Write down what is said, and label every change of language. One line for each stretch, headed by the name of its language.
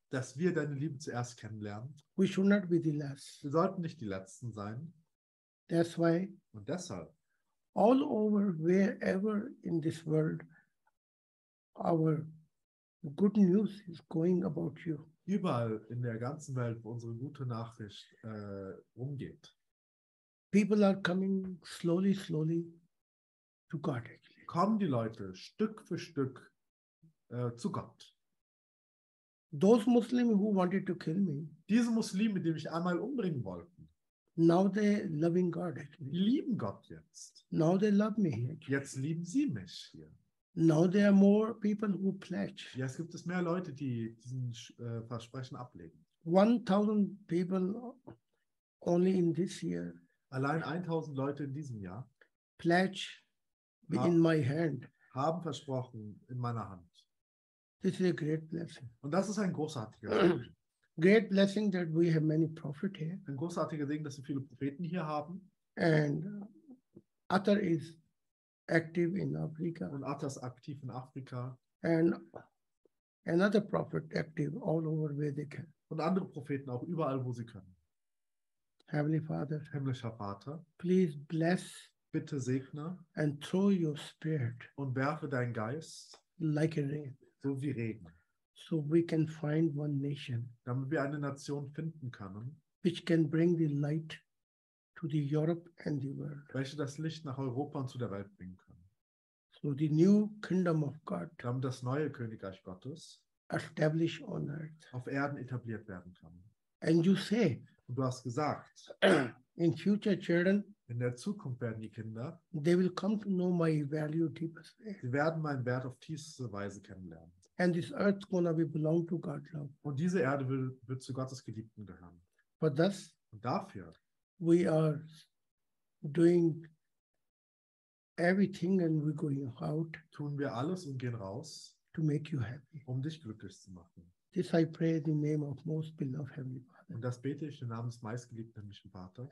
German: Dass wir deine Liebe zuerst kennenlernen.
English: We should not be the last.
German: Wir sollten nicht die Letzten sein.
English: That's why.
German: Und deshalb.
English: All over, wherever in this world, our good news is going about you.
German: Überall in der ganzen Welt, wo unsere gute Nachricht umgeht.
English: People are coming slowly, slowly to God.
German: Kommen die Leute Stück für Stück zu Gott.
English: Those Muslims who wanted to kill me.
German: Diese Muslime, die mich einmal umbringen wollten.
English: Now they loving God.
German: Die lieben Gott jetzt.
English: Now they love me.
German: Jetzt lieben sie mich hier.
English: Now there are more people who pledge.
German: Jetzt gibt es mehr Leute, die diesen Versprechen ablegen.
English: 1000 people only in this year.
German: Allein 1000 Leute in diesem Jahr.
English: Pledge in my hand.
German: Haben versprochen in meiner Hand.
English: This is a great blessing.
German: Und das ist ein großartiger
English: great blessing that we have many prophets here.
German: Ein großartiger Ding, dass wir viele Propheten hier haben.
English: And Atar is active in Africa.
German: Und Atar ist aktiv in Afrika.
English: And another prophet active all over Vedika.
German: Und andere Propheten auch überall, wo sie können.
English: Heavenly Father,
German: himmlischer Vater,
English: please bless,
German: bitte segne,
English: and throw your spirit,
German: und werfe deinen Geist,
English: like a rain,
German: so wie Regen.
English: So we can find one nation,
German: damit wir eine Nation finden können,
English: which can bring the light to the Europe and the world,
German: welche das Licht nach Europa und zu der Welt bringen können.
English: So the new kingdom of God,
German: damit das neue Königreich Gottes,
English: establish on earth,
German: auf Erden etabliert werden kann.
English: And you say,
German: und du hast gesagt,
English: in future children,
German: in der Zukunft werden die Kinder,
English: they will come to know my value deepest way,
German: sie werden meinen Wert auf tiefste Weise kennenlernen.
English: And this earth gonna be belong to God's love.
German: Und diese Erde wird zu Gottes Geliebten gehören.
English: For this,
German: und dafür,
English: we are doing everything and we're going out,
German: tun wir alles und gehen raus,
English: to make you happy,
German: um dich glücklich zu machen.
English: This I pray in the name of most beloved Heavenly Father.
German: Und das bete ich im Namen des meistgeliebten himmlischen Vaters.